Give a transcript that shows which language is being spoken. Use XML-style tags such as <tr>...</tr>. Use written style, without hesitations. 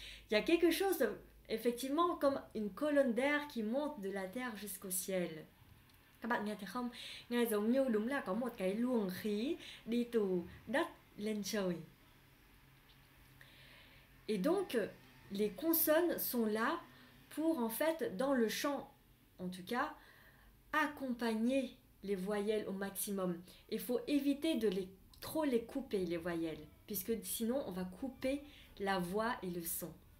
<fr>Il y a quelque chose, effectivement, comme une colonne d'air qui monte de la terre jusqu'au ciel.</fr> <vi>Các bạn nghe thấy không? Nghe giống như đúng là có một cái luồng khí đi từ đất lên trời.</vi> <fr>Et donc, les consonnes sont là pour, en fait, dans le chant, en tout cas, accompagner les voyelles au maximum. Il faut éviter de trop les couper, les voyelles, puisque sinon on va couper la voix et le son.</fr>